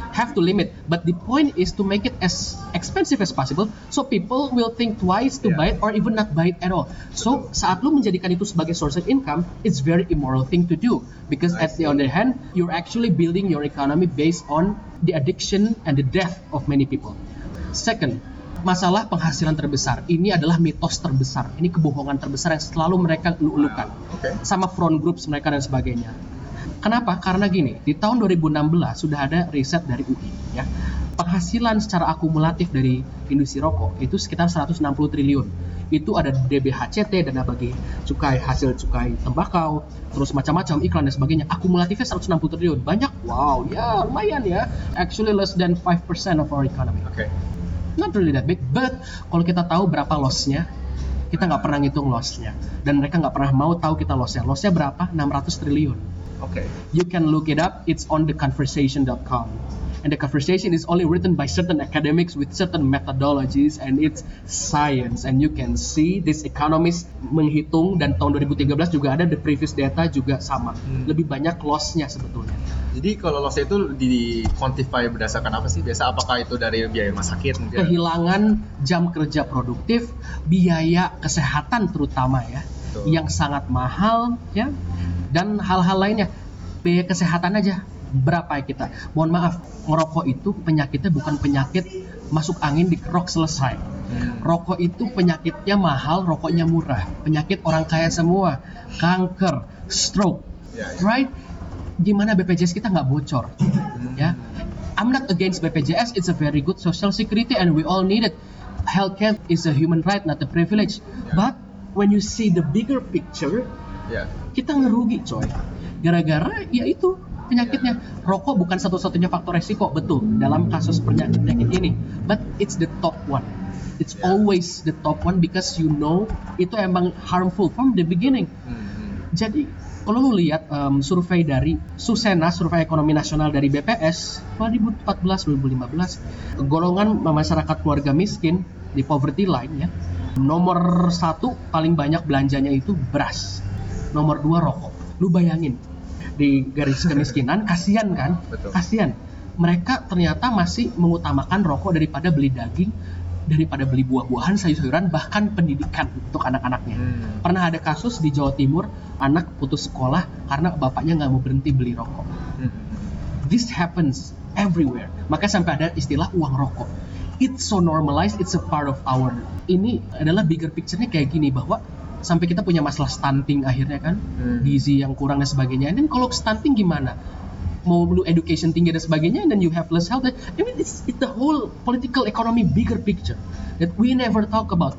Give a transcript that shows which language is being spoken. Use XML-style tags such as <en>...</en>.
<en>Have to limit, but the point is to make it as expensive as possible so people will think twice to buy it or even not buy it at all. So</en> <id>saat lu menjadikan itu sebagai</id> <en>source of income, it's very immoral thing to do, because at the other hand you're actually building your economy based on the addiction and the death of many people.</en> <id>Second, masalah penghasilan terbesar, ini adalah mitos terbesar, ini kebohongan terbesar yang selalu mereka lu-lukan sama front groups mereka dan sebagainya. Kenapa? Karena gini, di tahun 2016 sudah ada riset dari UI, ya. Penghasilan secara akumulatif dari industri rokok itu sekitar 160 triliun. Itu ada DBHCT, dana bagi cukai, hasil cukai tembakau, terus macam-macam iklan dan sebagainya. Akumulatifnya 160 triliun. Banyak? Wow, ya lumayan ya.</id> <en>Actually less than 5% of our economy. Not really that big, but</en> <id>kalau kita tahu berapa loss-nya, kita nggak pernah ngitung loss-nya. Dan mereka nggak pernah mau tahu kita loss-nya. Loss-nya berapa? 600 triliun.</id> <en>You can look it up, it's on theconversation.com. and the conversation is only written by certain academics with certain methodologies and it's science. And you can see this economist</en> <id>menghitung, dan tahun 2013 juga ada</id> <en>the previous data</en> <id>juga sama. Lebih banyak loss-nya sebetulnya. Jadi kalau loss-nya itu di quantify berdasarkan apa sih? Biasa apakah itu dari biaya rumah sakit? Mungkin? Kehilangan jam kerja produktif, biaya kesehatan terutama ya, yang sangat mahal ya, dan hal-hal lainnya. Biaya kesehatan aja berapa ya kita? Mohon maaf, ngerokok itu penyakitnya bukan penyakit masuk angin dikerok selesai. Rokok itu penyakitnya mahal, rokoknya murah. Penyakit orang kaya semua, kanker, stroke, right? Gimana BPJS kita nggak bocor? Ya,</id> <en>I'm not against BPJS. It's a very good social security and we all need it. Healthcare is a human right, not a privilege. But when you see the bigger picture,</en> <id>kita ngerugi coy. Gara-gara ya itu penyakitnya. Rokok bukan satu-satunya faktor resiko, betul, dalam kasus penyakit-penyakit ini.</id> <en>But it's the top one. It's always the top one because you know</en> <id>itu emang</id> <en>harmful from the beginning.</en> <id>Jadi kalau lu lihat survei dari Susena, survei ekonomi nasional dari BPS 2014-2015, golongan masyarakat keluarga miskin di poverty line ya, nomor satu paling banyak belanjanya itu beras, nomor dua rokok. Lu bayangin di garis kemiskinan, kasihan kan? Betul. Kasihan. Mereka ternyata masih mengutamakan rokok daripada beli daging, daripada beli buah-buahan, sayur-sayuran, bahkan pendidikan untuk anak-anaknya. Pernah ada kasus di Jawa Timur, anak putus sekolah karena bapaknya nggak mau berhenti beli rokok.</id> <en>This happens everywhere.</en> <id>Makanya sampai ada istilah uang rokok.</id> <en>It's so normalized, it's a part of our...</en> <id>Ini adalah bigger picture-nya kayak gini, bahwa sampai kita punya masalah stunting akhirnya kan, gizi yang kurang dan sebagainya. Dan kalau stunting gimana? Mau lu education tinggi dan sebagainya,</id> <en>then you have less health. I mean, it's the whole political economy bigger picture that we never talk about.</en>